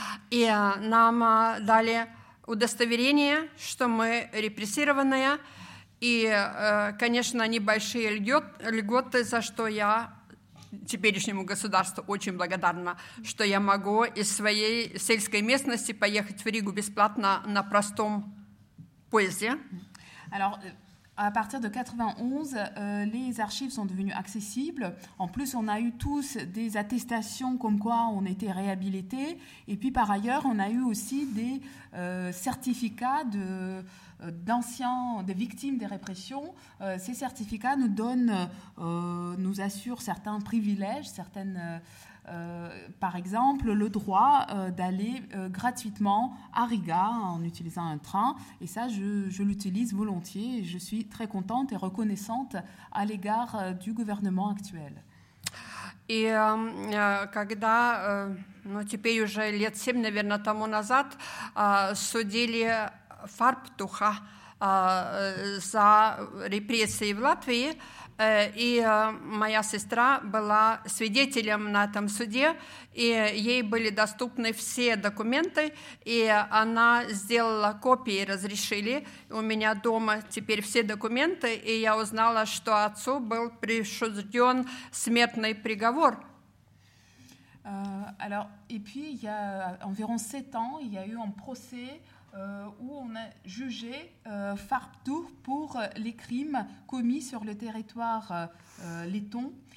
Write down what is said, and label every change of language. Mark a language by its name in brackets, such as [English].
[Russian] И нам дали удостоверение, что мы репрессированные, и, конечно, небольшие льготы, за что я теперешнему государству очень благодарна, что я могу из своей сельской местности поехать в Ригу бесплатно на простом поезде. [French] Alors, à partir de 91, les archives sont devenues accessibles. En plus, on a eu tous des attestations comme quoi on était réhabilité. Et puis, par ailleurs, on a eu aussi des certificats de, d'anciens, des victimes des répressions. Ces certificats nous donnent, nous assurent certains privilèges, certaines, par exemple, le droit d'aller gratuitement à Riga en utilisant un train. Et ça, je l'utilise volontiers. Et je suis très contente et reconnaissante à l'égard du gouvernement actuel. Et quand, maintenant, [Russian] уже лет 7, наверное, тому назад, судили Фарптуха за репрессии в Латвии. И моя сестра была свидетелем на этом суде, и ей были доступны все документы, и она сделала копии, разрешили. У меня дома теперь все документы, и я узнала, что отцу был присужден смертный приговор. [French] Alors, et puis, il y a environ 7 ans, il y a eu un procès où on a jugé Fartour pour les crimes commis sur le territoire letton.